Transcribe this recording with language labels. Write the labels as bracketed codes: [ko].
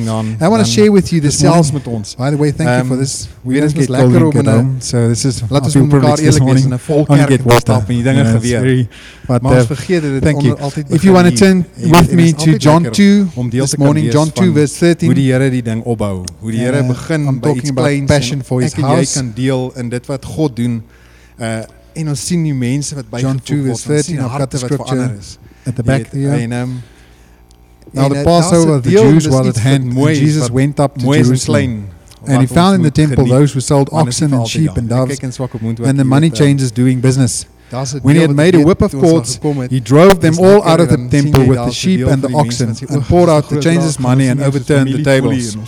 [en] I want to share with you the cells with us. By the way, thank you for this. We didn't get cold in Kedom, so this is a few privileges this morning. Only get water. But thank you. If you want to turn with me to John 2 this morning, John 2 verse 13, I'm talking about passion for His house. [af] Ek en jy kan deel in dit wat God doen, en ons sien die mense wat bygevoeg word, ons sien die harte wat verander is. [en] Now the Passover of the Jews was at hand, and Jesus went up to Jerusalem, and He found in the temple those who sold oxen and sheep and doves, and the money changers doing business. When He had made a whip of cords, He drove them all out of the temple with the sheep and the oxen, and poured out the changers' money and overturned the tables.